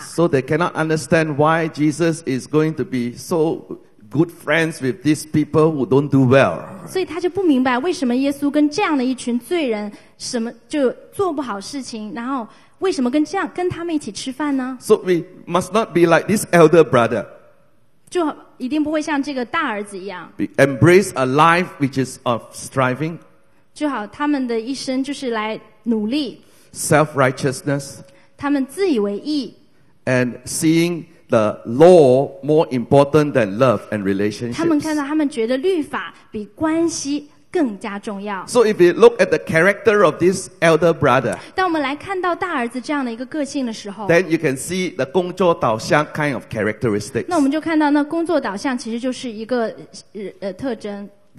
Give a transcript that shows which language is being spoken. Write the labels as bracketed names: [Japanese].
[English] So they cannot understand why Jesus is going to be so good friends with these people who don't do well. [Chinese] 所以他就不明白为什么耶稣跟这样的一群罪人什么就做不好事情，然后为什么跟这样跟他们一起吃饭呢？ [English] So we must not be like this elder brother. [Chinese] 就一定不会像这个大儿子一样。 [English] Embrace a life which is of striving. [Chinese] 就好他们的一生就是来努力。 [English] Self-righteousness. [Chinese] 他们自以为义。 [English] And seeing the law more important than love and relationships. [Chinese] 他们看到他们觉得律法比关系更加重要。 [English] So if we look at the character of this elder brother. [Chinese] 当我们来看到大儿子这样的一个个性的时候。 [English] Then you can see the [Chinese] 工作导向 [English] kind of characteristics. [Chinese] 那我们就看到那工作导向其实就是一个特征。